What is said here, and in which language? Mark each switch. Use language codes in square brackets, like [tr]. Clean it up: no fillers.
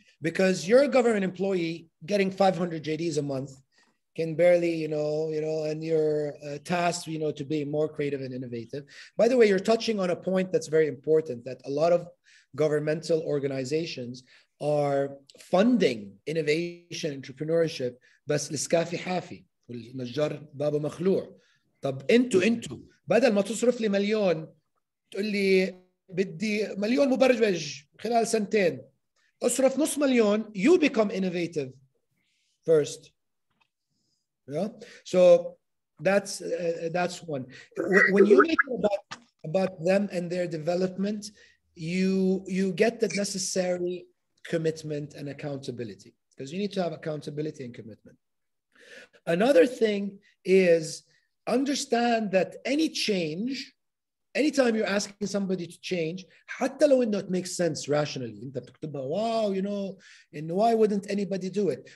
[en] Because you're a government employee getting 500 JDs a month, can barely, you know, and you're tasked, you know, to be more creative and innovative. By the way, you're touching on a point that's very important, that a lot of governmental organizations are funding innovation, entrepreneurship, [ar] بس لسكافي حافي. والنجار بابا مخلوع طب انتو بدل ما تصرف لي مليون تقول لي بدي مليون مبرمج خلال سنتين اصرف نص مليون [en] you become innovative first. Yeah, so that's one. When you make it about them and their development, you get the necessary commitment and accountability, because you need to have accountability and commitment. Another thing is understand that any change, anytime you're asking somebody to change, [ar] حتى لو إنه [en] it makes sense rationally, [ar] أنت بتكتبها, [en] wow, you know, and why wouldn't anybody do it?